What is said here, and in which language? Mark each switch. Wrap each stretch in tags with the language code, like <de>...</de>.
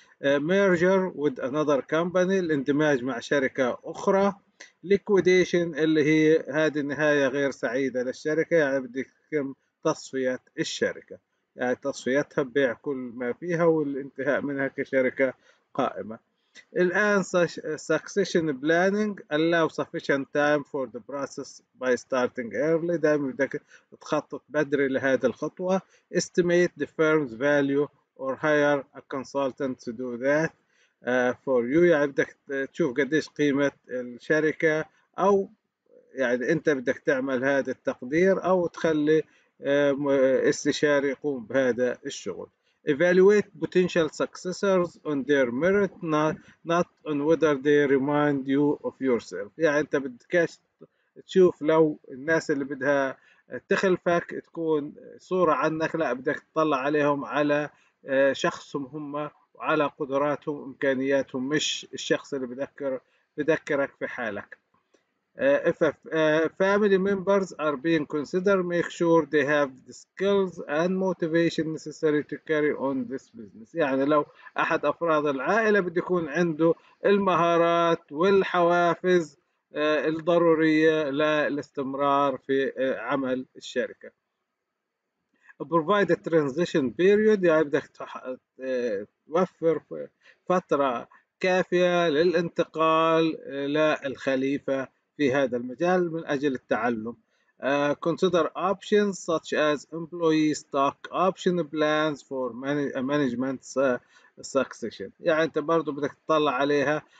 <en>Merger with another company،</en> <ar>الاندماج مع شركة أخرى. Liquidation اللي هي هذه النهاية غير سعيدة للشركة، يعني بده يتم تصفية الشركة، يعني تصفيتها ببيع كل ما فيها والانتهاء منها كشركة قائمة.</ar> <en>الآن succession planning allow sufficient time for the process by starting early،</en> <ar>دائما بدك تخطط بدري لهذه الخطوة.</ar> <en>Estimate the firm's value or hire a consultant to do that for you،</en> <ar>يعني بدك تشوف قديش قيمة الشركة، أو يعني أنت بدك تعمل هذا التقدير أو تخلي استشاري يقوم بهذا الشغل.</ar> <en>Evaluate potential successors on their merit not on whether they remind you of yourself،</en> <ar>يعني انت بدكش تشوف لو الناس اللي بدها تخلفك تكون صورة عنك، لا بدك تطلع عليهم على شخصهم هم وعلى قدراتهم وإمكانياتهم، مش الشخص اللي بذكرك في حالك.</ar> <en>If a family members are being considered, make sure they have the skills and motivation necessary to carry on this business.</en> <ar>يعني لو أحد أفراد العائلة بده يكون عنده المهارات والحوافز الضرورية للاستمرار في عمل الشركة.</ar> <en>Provide a transition period،</en> <ar>يعني بدك توفر فترة كافية للانتقال للخليفة في هذا المجال من أجل التعلم.</ar> <en>Consider options such as employee stock option plans for management succession،</en> <ar>يعني أنت برضو بدك تطلع عليها.</ar>